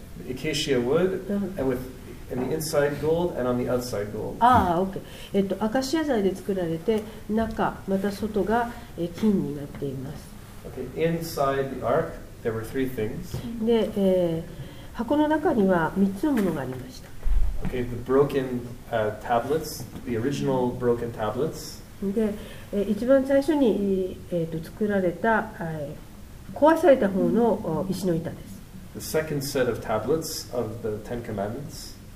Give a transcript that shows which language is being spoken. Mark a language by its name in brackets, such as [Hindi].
[English] Acacia wood and with and the inside gold and on the outside gold. ああ、OK。 [Japanese] アカシア材で作られて、中また外が金になっています。 [English] Okay. Inside the ark, there were three things. [Japanese] で、箱の中には3つのものがありました。 [English] Okay. The broken tablets, the original broken tablets. [Japanese] で、一番最初に作られた壊された方の石の板です。 [English] The second set of tablets of the Ten Commandments.